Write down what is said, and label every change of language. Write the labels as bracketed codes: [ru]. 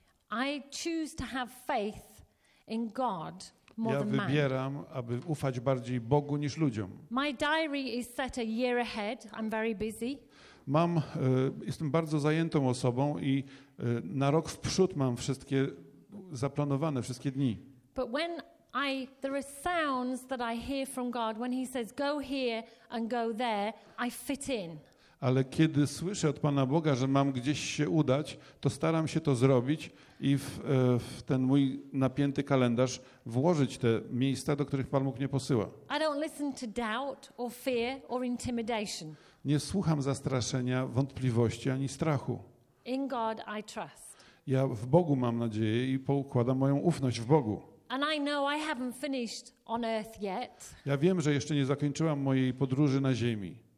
[en] I choose to have faith in God [pl] Ja wybieram, aby ufać bardziej Bogu niż ludziom. [en] My diary is set a year ahead. I'm very busy. [pl] Jestem bardzo zajętą osobą i na rok w przód mam wszystkie zaplanowane wszystkie dni. [en] But when there are sounds that I hear from God when he says go here and go there, I fit in. [pl] Ale kiedy słyszę od Pana Boga, że mam gdzieś się udać, to staram się to zrobić i w ten mój napięty kalendarz włożyć te miejsca, do których Pan Bóg mnie posyła. [en] I don't listen to doubt or fear or intimidation. [pl] Nie słucham zastraszenia, wątpliwości ani strachu. [en] In God I trust. [pl] Ja w Bogu mam nadzieję i poukładam moją ufność w Bogu. [en] And I know I haven't finished on earth yet. [pl] Ja wiem, że jeszcze nie zakończyłam mojej podróży na ziemi.